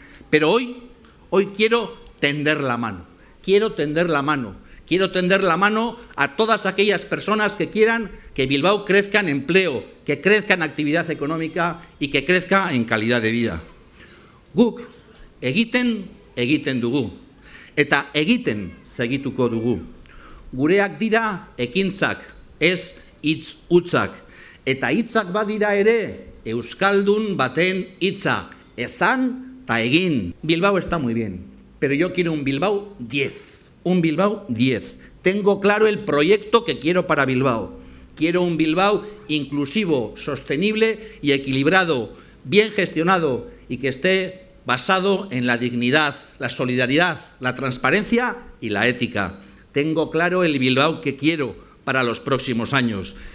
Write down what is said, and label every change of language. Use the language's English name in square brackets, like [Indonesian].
[Spanish] Pero hoy quiero tender la mano. Quiero tender la mano. Quiero tender la mano a todas aquellas personas que quieran que Bilbao crezca en empleo, que crezca en actividad económica y que crezca en calidad de vida. [Basque] Guk egiten, egiten dugu. Eta egiten, segituko dugu. Gureak dira ekintzak, ez hitz hutsak. Eta hitzak badira ere, euskaldun baten hitza. Esan ta egin. [Spanish] Bilbao está muy bien, pero yo quiero un Bilbao 10. Un Bilbao 10. Tengo claro el proyecto que quiero para Bilbao. Quiero un Bilbao inclusivo, sostenible y equilibrado, bien gestionado y que esté basado en la dignidad, la solidaridad, la transparencia y la ética. Tengo claro el Bilbao que quiero para los próximos años.